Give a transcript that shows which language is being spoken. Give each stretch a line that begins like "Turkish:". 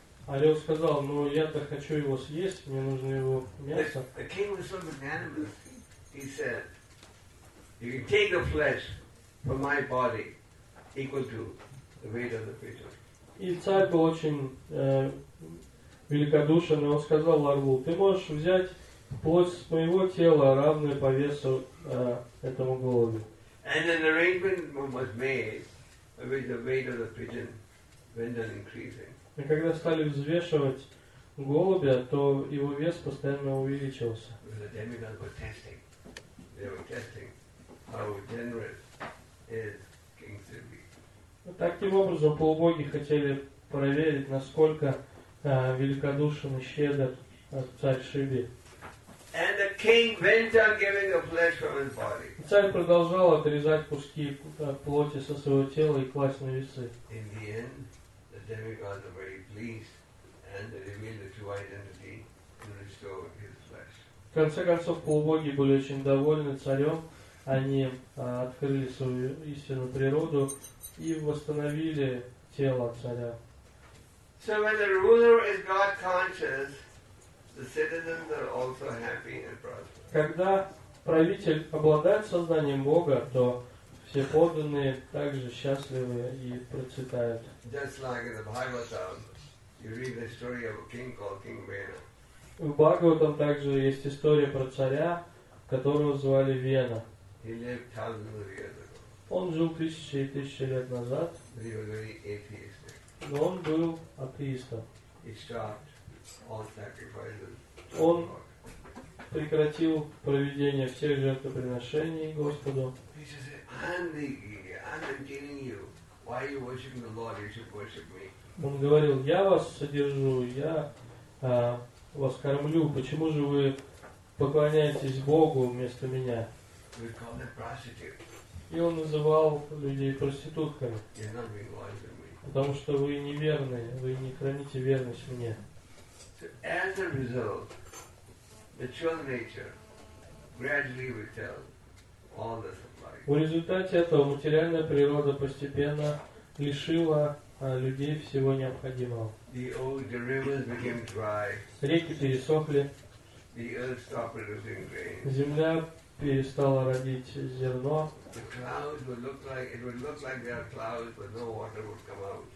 Russian: Орел сказал, ну я-то хочу его съесть, мне нужно его мясо.
English: The king was so magnanimous. He said, you can take the flesh from my body equal to the weight of the creature.
Russian: И царь был очень великодушен, и он сказал орлу, ты можешь взять плоть с моего тела, равную по весу этому голубю.
English: And an arrangement was made with the weight of the pigeon when they're increasing.
Russian: И когда стали взвешивать голубя, то его вес постоянно увеличивался.
English: The demigods were testing. They were testing how generous is King Sivi.
Russian: Таким образом, полубоги хотели проверить, насколько великодушен и щедр царь Шиби.
English: And the king went on giving the flesh from his body.
Russian: Царь продолжал отрезать куски плоти со своего тела и класть на весы.
English: In the end, the demigods were very pleased, and they revealed the true identity and restored his flesh.
Russian: В конце концов, полубоги были очень довольны царем. Они открыли свою истинную природу и восстановили тело царя.
English: So when the ruler is God conscious, the citizens are also happy and prosperous.
Russian: Когда правитель обладает сознанием Бога, то все подданные также счастливы и процветают.
English: Just like in the Bhagavatam, you read the story of a king called King Vena.
Russian: В Бхагаватам также есть история про царя, которого звали Вена.
English: He lived thousands of years ago.
Russian: Он жил тысячи и тысячи лет назад.
English: But he was very atheistic.
Russian: Но он был атеистом.
English: He stopped all sacrifices.
Russian: Он прекратил проведение всех жертвоприношений Господу.
English: He just said, I'm giving you. Why are you worshiping the Lord? You should worship me.
Russian: Он говорил, я вас содержу, я вас кормлю. Почему же вы поклоняетесь Богу вместо меня?
English: We call them prostitutes.
Russian: И он называл людей проститутками.
English: You're not being loyal to me.
Russian: Потому что вы неверные, вы не храните верность мне.
English: So as a result, the true nature gradually withheld all the supply.
Russian: В результате этого материальная природа постепенно лишила людей всего необходимого.
English: The old rivers became dry.
Russian: Реки пересохли.
English: The earth stopped producing grain.
Russian: Земля перестала родить зерно.
English: The clouds would look like, it would look like there are clouds, but no water would come out.